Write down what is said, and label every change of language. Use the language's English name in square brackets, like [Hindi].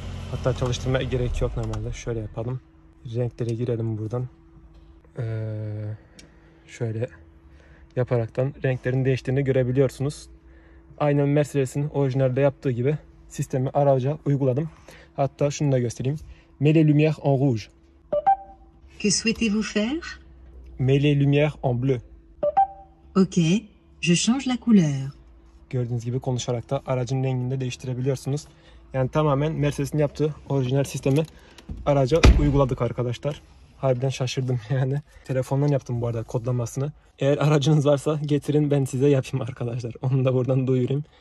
[Turkish] Hatta çalıştırmaya gerek yok normalde. Şöyle yapalım. Renklere girelim buradan. Şöyle yaparaktan renklerin değiştiğini görebiliyorsunuz. Aynen Mercedes'in orijinalde yaptığı gibi sistemi aracı uyguladım. Hatta şunu da göstereyim. [French] Mets les lumières en rouge. Que souhaitez-vous faire? Mets les lumières en bleu. Ok, je change la couleur. [Turkish] Gördüğünüz gibi konuşarak da aracın rengini de değiştirebiliyorsunuz. Yani tamamen Mercedes'in yaptığı orijinal sistemi araca uyguladık arkadaşlar. Harbiden şaşırdım yani. Telefondan yaptım bu arada kodlamasını. Eğer aracınız varsa getirin ben size yapayım arkadaşlar. Onu da buradan duyurayım.